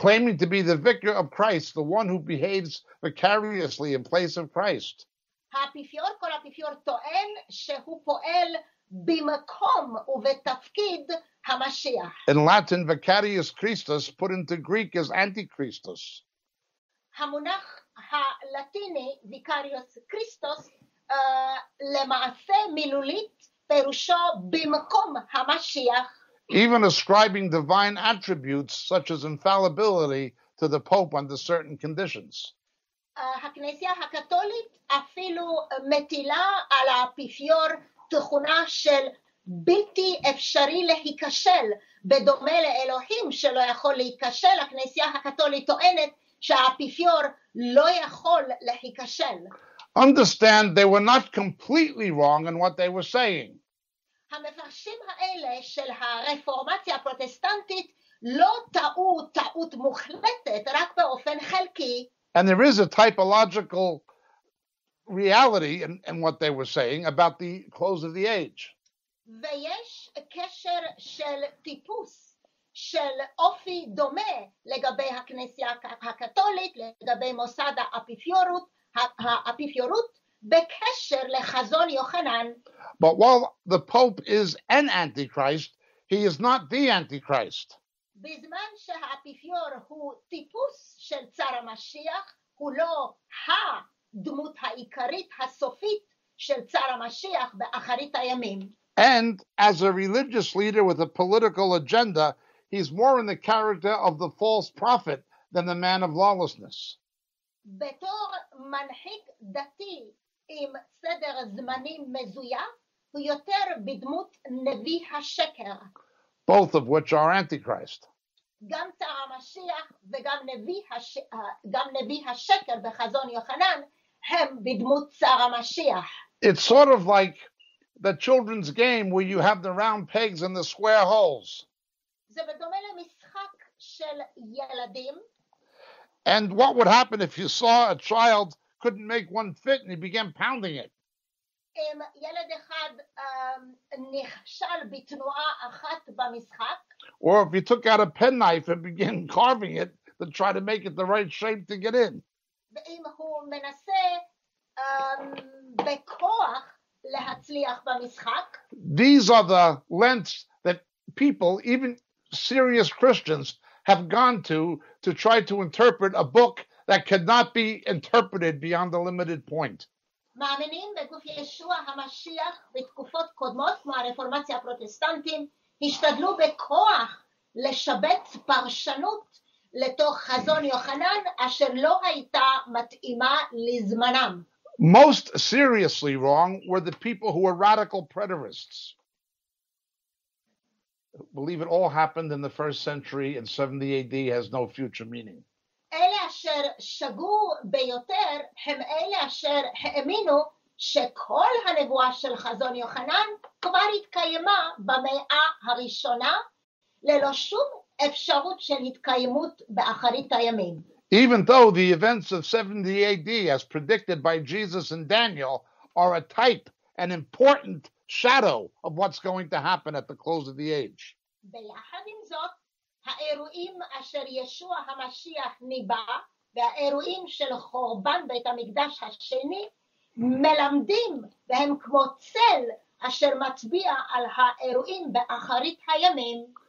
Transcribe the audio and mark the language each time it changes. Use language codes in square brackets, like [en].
[en] Claiming to be the vicar of Christ, the one who behaves vicariously in place of Christ. [he] האפיפיור, כל האפיפיור טוען שהוא פועל במקום ובתפקיד המשיח. [en] In Latin, vicarius Christus, put into Greek as antichristus. [he] המונח הלטיני, vicarius Christus, למעשה מילולית, פירושו במקום המשיח. [en] Even ascribing divine attributes such as infallibility to the Pope under certain conditions. [he] הכנסייה הקתולית אפילו מטילה על האפיפיור תכונה של בלתי אפשרי להיכשל, בדומה לאלוהים שלא יכול להיכשל, הכנסייה הקתולית טוענת שהאפיפיור לא יכול להיכשל. [en] Understand they were not completely wrong in what they were saying. [he] המפרשים האלה של הרפורמציה הפרוטסטנטית לא טעו טעות מוחלטת, רק באופן חלקי. [en] And there is a typological reality in what they were saying about the close of the age. [he] ויש קשר של טיפוס, של אופי דומה לגבי הכנסייה הקתולית, לגבי מוסד האפיפיורות, בקשר לחזון יוחנן. [en] But while the Pope is an Antichrist, he is not the Antichrist. [he] בזמן שהאפיפיור הוא טיפוס של צר המשיח, הוא לא הדמות העיקרית הסופית של צר המשיח באחרית הימים. [en] And as a religious leader with a political agenda, he's more in the character of the false prophet than the man of lawlessness. [he] בתור מנהיג דתי עם סדר זמנים מזויף, הוא יותר בדמות נביא השקר. [en] Both of which are antichrist. [he] גם צר המשיח וגם נביא השקר בחזון יוחנן הם בדמות צר המשיח. [en] It's sort of like the children's game where you have the round pegs and the square holes. [he] זה בדומה למשחק של ילדים. [en] And what would happen if you saw a child couldn't make one fit and he began pounding it? [he] אם ילד אחד נכשל בתנועה אחת במשחק, [en] or if you took out a pen knife and began carving it to try to make it the right shape to get in. [he] ואם הוא מנסה בכוח להצליח במשחק, [en] these are the lengths that people, even serious Christians, have gone to try to interpret a book that could not be interpreted beyond the limited point. [he] מאמינים בגוף ישוע המשיח בתקופות קודמות כמו הרפורמציה הפרוטסטנטים השתדלו בכוח לשבט פרשנות לתוך חזון יוחנן אשר לא הייתה מתאימה לזמנם. [en] Most seriously wrong were the people who were radical preterists. Believe it all happened in the first century and 70 AD has no future meaning. [he] אלה אשר שגו ביותר הם אלה אשר האמינו שכל הנבואה של חזון יוחנן כבר התקיימה במאה הראשונה ללא שום אפשרות של התקיימות באחרית הימים. [en] Even though the events of 70 AD as predicted by Jesus and Daniel are a type, an important shadow of what's going to happen at the close of the age. [he] ביחד עם זאת, האירועים אשר ישוע המשיח ניבא והאירועים של חורבן בית המקדש השני מלמדים והם כמו צל אשר מצביע על האירועים באחרית הימים.